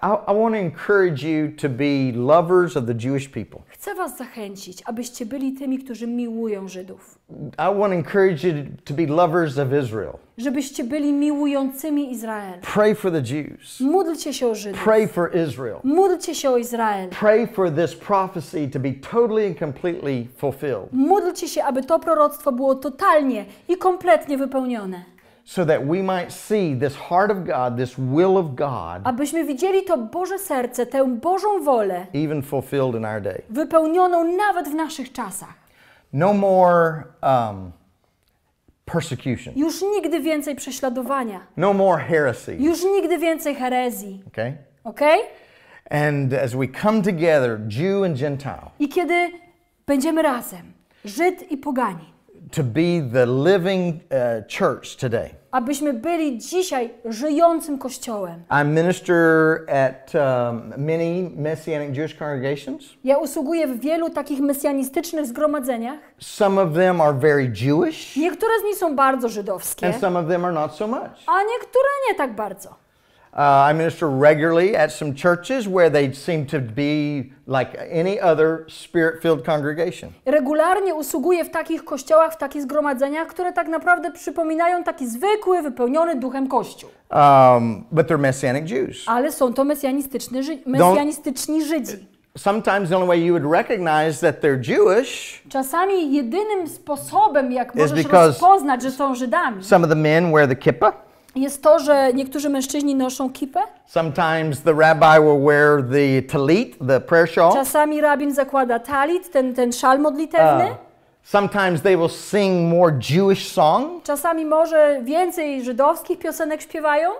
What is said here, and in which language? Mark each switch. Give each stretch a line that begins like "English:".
English: I want to encourage you to be lovers of the Jewish people.
Polish: Chcę was zachęcić, abyście byli tymi, którzy miłują Żydów.
English: I want to encourage you to be lovers of Israel.
Polish: Żebyście byli miłującymi Izrael.
English: Pray for the Jews.
Polish: Módlcie się o Żydów.
English: Pray for Israel.
Polish: Módlcie się o Izrael.
English: Pray for this prophecy to be totally and completely fulfilled.
Polish: Módlcie się, aby to proroctwo było totalnie i kompletnie wypełnione.
English: So that we might see this heart of God, this will of God.
Polish: Abyśmy widzieli to Boże serce, tę Bożą wolę.
English: Even fulfilled in our day.
Polish: Wypełnioną nawet w naszych czasach.
English: No more persecution.
Polish: Już nigdy więcej prześladowania.
English: No more heresy.
Polish: Już nigdy więcej herezji.
English: Okay?
Polish: Okay?
English: And as we come together, Jew and Gentile.
Polish: I kiedy będziemy razem, Żyd i poganin.
English: To be the living church today.
Polish: Abyśmy byli dzisiaj żyjącym kościołem.
English: I minister at many messianic Jewish congregations.
Polish: Ja usługuję w wielu takich mesjanistycznych zgromadzeniach.
English: Some of them are very Jewish.
Polish: Niektóre z nich są bardzo żydowskie.
English: And some of them are not so much.
Polish: A niektóre nie tak bardzo.
English: I minister regularly at some churches where they seem to be like any other spirit-filled congregation.
Polish: Regularnie usługuję w takich kościołach, w takich zgromadzeniach, które tak naprawdę przypominają taki zwykły, wypełniony duchem kościół.
English: But they're messianic Jews.
Polish: Ale są to mesjanistyczni Żydzi.
English: Sometimes the only way you would recognize that they're Jewish.
Polish: Czasami jedynym sposobem, jak możesz rozpoznać, że są Żydami.
English: Some of the men wear the kippah.
Polish: Jest to, że niektórzy mężczyźni noszą kipę.
English: Sometimes the rabbi will wear the talit, the prayer shawl.
Polish: Czasami rabin zakłada talit, ten szal modlitewny.
English: Sometimes they will sing more Jewish song.
Polish: Czasami może więcej żydowskich piosenek śpiewają.